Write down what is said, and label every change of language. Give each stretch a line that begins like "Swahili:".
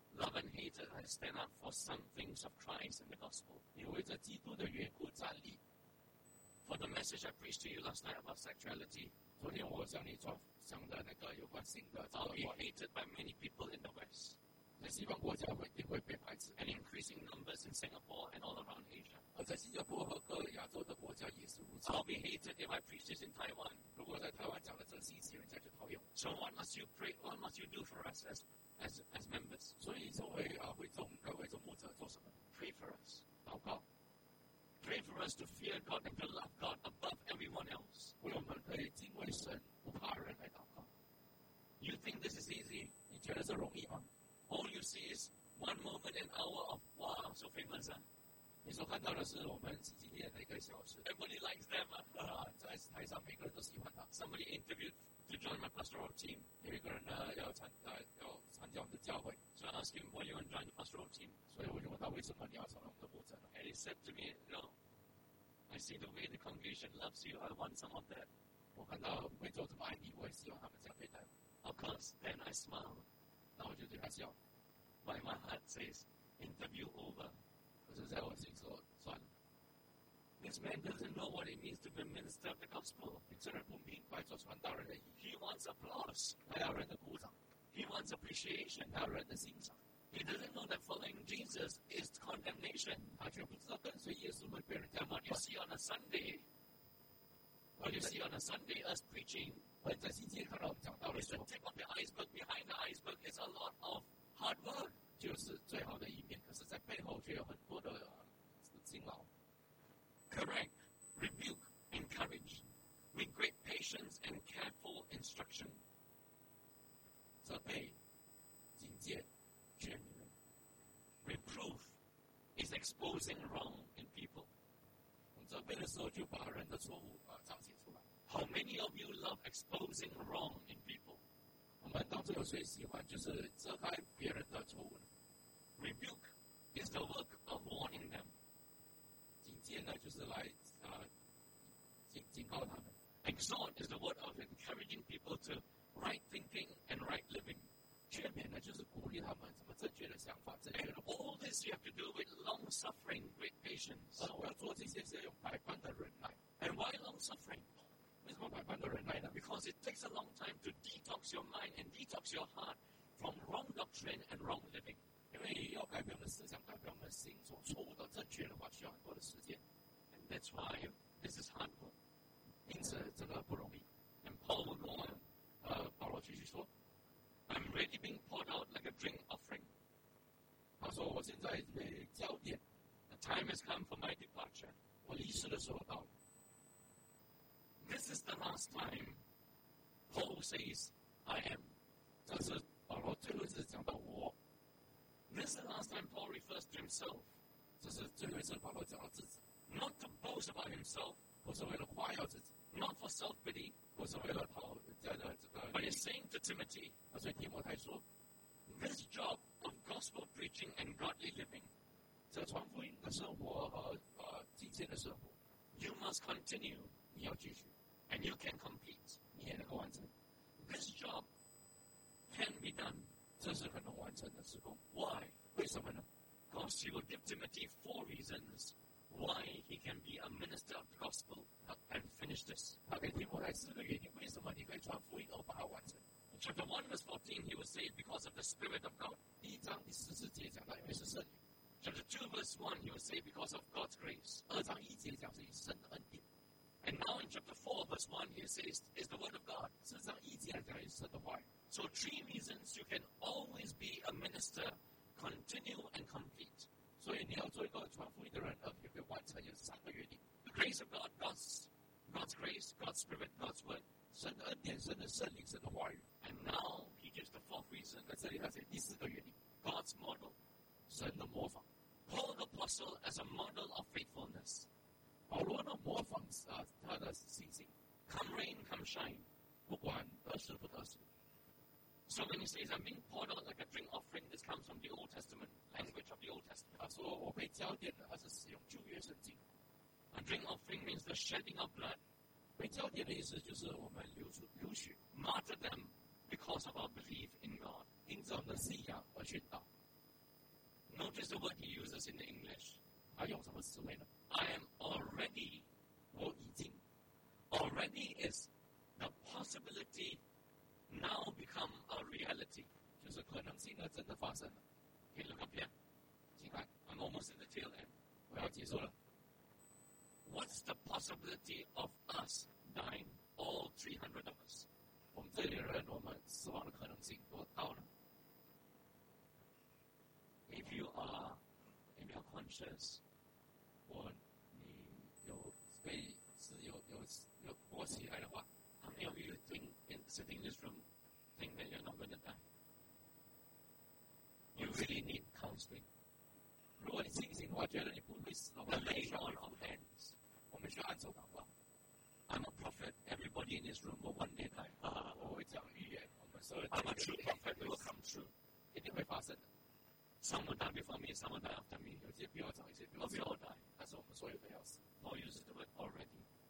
English: Love and hate, I stand up for some things of Christ and the gospel.
Chinese: 你为着基督的缘故站立。
English: For the message I preached to you last night about sexuality,
Chinese: 昨天我向你讲的那个有关性的，遭遇
English: hated by many people in the West.
Chinese: 在西方国家会一定会被排斥。
English: And increasing numbers in Singapore and all around Asia.
Chinese: 而在新加坡和各亚洲的国家也是如此。
English: I'll be hated if I preach this in Taiwan.
Chinese: 如果在台湾讲了这信息，人家就讨厌。
English: So what must you pray? What must you do for us as members,
Chinese: 所以作为会众，各位众牧者做什么
English: ？Pray for us,
Chinese: 祷告。
English: Pray for us to fear God and to love God above everyone else.
Chinese: 为我们可以敬畏神，不怕人来祷告。
English: You think this is easy?
Chinese: 你觉得这容易吗
English: ？All you see is one moment, an hour of wow, I'm so famous.
Chinese: 你所看到的是我们几天的一个小时。
English: Everybody likes them.
Chinese: 在台上每个人都喜欢他。
English: Somebody interviewed to join my pastoral team.
Chinese: 有一个人呢要参加我们的教会。
English: So I asked him, why you want to join the pastoral team?
Chinese: 所以我就问他为什么你要成为我们的牧者呢？
English: And he said to me, no, I see the way the congregation loves you. I want some of that.
Chinese: 我看到会众这么爱你，我也希望他们这样对待我。
English: Of course, then I smile.
Chinese: 那我就对他笑。
English: But my heart says, interview over.
Chinese: 是在我心说算了。
English: This man doesn't know what it means to be a minister of the gospel.
Chinese: 你真的不明白做传道人的意义。
English: He wants applause.
Chinese: 他要人的鼓掌。
English: He wants appreciation.
Chinese: 他要人的欣赏。
English: He doesn't know that following Jesus is condemnation.
Chinese: 他却不知道跟随耶稣会被人家骂。
English: You see on a Sunday. What you see on a Sunday us preaching.
Chinese: 在星期天看到我们讲道的时候。
English: It's the tip of the iceberg. Behind the iceberg is a lot of hard work.
Chinese: 就是最好的一面，可是在背后却有很多的辛劳。
English: Correct, rebuke, encourage, with great patience and careful instruction.
Chinese: 责备、警戒、劝勉。
English: Reproof is exposing wrong in people.
Chinese: 我们责备的时候就把人的错误彰显出来。
English: How many of you love exposing wrong in people?
Chinese: 我们当中有谁喜欢就是遮盖别人的错误呢？
English: Rebuke is the work of warning them.
Chinese: 警戒呢，就是来警告他们。
English: Exhort is the word of encouraging people to right thinking and right living.
Chinese: 劝勉呢，就是鼓励他们什么正确的想法。
English: And all this you have to do with long suffering, with patience.
Chinese: 我要做这些是要用百般的忍耐。
English: And why long suffering?
Chinese: 为什么百般都忍耐呢？
English: Because it takes a long time to detox your mind and detox your heart from wrong doctrine and wrong living.
Chinese: 因为要改变我们的思想，改变我们的心，从错误到正确的话，需要很多的时间。
English: And that's why this is hard work.
Chinese: 因此，这个不容易。
English: And Paul would go on,
Chinese: 保罗继续说，
English: I'm ready being poured out like a drink offering.
Chinese: 他说我现在被浇奠。
English: The time has come for my departure.
Chinese: 我离世的时候到了。
English: This is the last time Paul says, I am.
Chinese: 这是保罗最后一次讲到我。
English: This is the last time Paul refers to himself.
Chinese: 这是最后一次保罗讲到自己。
English: Not to boast about himself.
Chinese: 不是为了夸耀自己。
English: Not for self-pity.
Chinese: 不是为了讨在的这个。
English: But he's saying to Timothy.
Chinese: 他对提摩太说，
English: This job of gospel preaching and godly living.
Chinese: 这传福音的生活和敬虔的生活。
English: You must continue.
Chinese: 你要继续
English: and you can compete.
Chinese: 你也能够完成
English: this job can be done.
Chinese: 这是可能完成的时候
English: Why?
Chinese: 为什么呢
English: Because he will give Timothy four reasons why he can be a minister of the gospel and finish this.
Chinese: 他给提摩太四个原因，为什么你可以传福音而把它完成。
English: In chapter 1 verse 14, he will say it because of the Spirit of God.
Chinese: 第一章第十四节讲到因为是圣灵。
English: Chapter 2 verse 1, he will say because of God's grace.
Chinese: 二章一节讲是以神的恩典。
English: And now in chapter 4, verse 1, he says, is the word of God.
Chinese: 事实上一节来讲也是的话。
English: So three reasons you can always be a minister, continue and complete.
Chinese: 所以你要做一个传福音的人，而且可以完成，有三个原因。
English: The grace of God, God's grace, God's spirit, God's word.
Chinese: 神的恩典，神的圣灵，神的话语。
English: And now he gives the fourth reason.
Chinese: 在这里他写第四个原因。
English: God's model.
Chinese: 神的模仿。
English: Paul the apostle as a model of faithfulness.
Chinese: 保罗呢模仿他的信心
English: ，Come rain, come shine，
Chinese: 不管得时不得时。
English: So when he says I'm being poured out like a drink offering, this comes from the Old Testament language of the Old Testament.
Chinese: 他说我被浇奠了，他是使用旧约圣经。
English: A drink offering means the shedding of blood.
Chinese: 被浇奠的意思就是我们流血。
English: Martyrdom because of our belief in God.
Chinese: 因着我们的信仰而殉道。
English: Notice the word he uses in the English.
Chinese: 他用什么词汇呢？
English: I am already,
Chinese: 我已经
English: already is the possibility now become a reality.
Chinese: 就是可能性呢真的发生了。可以
English: look up here.
Chinese: 请看
English: I'm almost at the tail end.
Chinese: 我要结束了。
English: What's the possibility of us dying, all 300 of us?
Chinese: 我们这里的人我们死亡的可能性多大呢？
English: If you are in your conscious,
Chinese: 你有被是有活起来的话
English: How many of you think in sitting in this room think that you're not going to die? You really need counseling.
Chinese: 如果你清醒的话，觉得你不会死的话
English: Lay on of hands.
Chinese: 我们需要按手祷告。
English: I'm a prophet. Everybody in this room will one day die.
Chinese: 我会讲预言。我们说
English: I'm a true prophet. It will come true.
Chinese: 一定会发生的。
English: Some will die before me, some will die after me.
Chinese: 有些比较早，一些比较迟。
English: We all die.
Chinese: 但是我们所有都要死。
English: Paul uses the word already.